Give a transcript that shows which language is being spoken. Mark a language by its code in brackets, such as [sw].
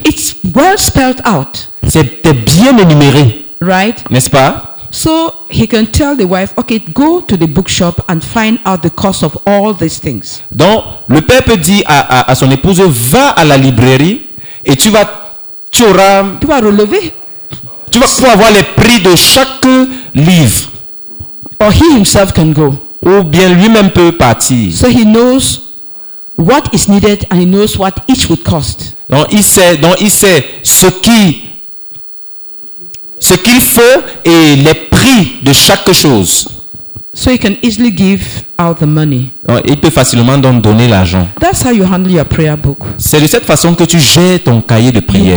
[en] It's well spelled out. [fr] C'est bien énuméré. [en] Right? [fr] N'est-ce pas? [en] So he can tell the wife, "Okay, go to the bookshop and find out the cost of all these things." [fr] Donc le père peut dire à son épouse, "Va à la librairie et tu vas relever." Tu vas pouvoir voir les prix de chaque livre. [en] Or he himself can go. [fr] Ou bien lui-même peut partir. [en] So he knows what is needed and he knows what each would cost. [fr] Donc il sait ce qu'il faut et les prix de chaque chose. [en] So he can easily give out the money. [fr] Donc, il peut facilement donc donner l'argent. [en] That's how you handle your prayer book. [fr] C'est de cette façon que tu gères ton cahier de prière.